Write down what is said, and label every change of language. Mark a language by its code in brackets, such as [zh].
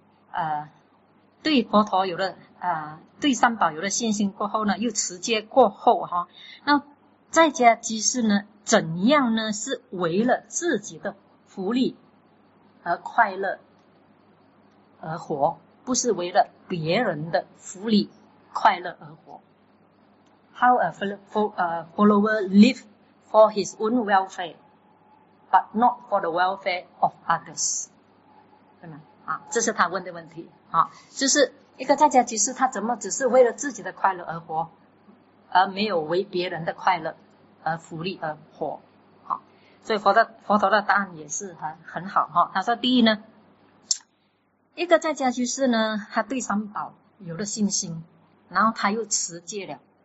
[zh] 啊，对佛陀有了对三宝有了信心过后呢，又持戒过后哈、啊，那在家居士呢，怎样呢？是为了自己的福利而快乐而活，不是为了别人的福利快乐而活。 [en] How a follower live for his own welfare, but not for the welfare of others. [zh] 真的啊，这是他问的问题啊，就是一个在家居士，他怎么只是为了自己的快乐而活，而没有为别人的快乐而福利而活？好、啊，所以佛陀的答案也是很好哈、啊。他说，第一呢，一个在家居士呢，他对三宝有了信心，然后他又持戒了。